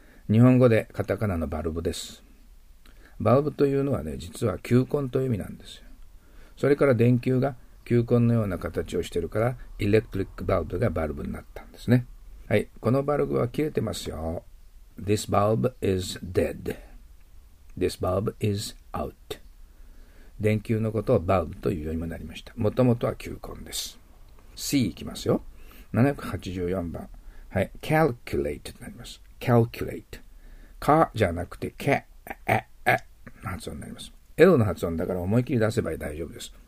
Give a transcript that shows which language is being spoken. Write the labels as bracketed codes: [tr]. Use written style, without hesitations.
[ja] 日本語でカタカナのバルブです。バルブというのはね、実は球根という意味なんですよ。それから電球が球根のような形をしているから、エレクトリックバルブがバルブになったんですね。はい、このバルブは切れてますよ。 [en] This bulb is dead. This bulb is out. [ja] 電球のことをバルブというようにもなりました。もともとは球根です。C いきますよ。784番、はい、calculate となります。 calculate かじゃなくてけええの発音になります。 L の発音だから思い切り出せば大丈夫です。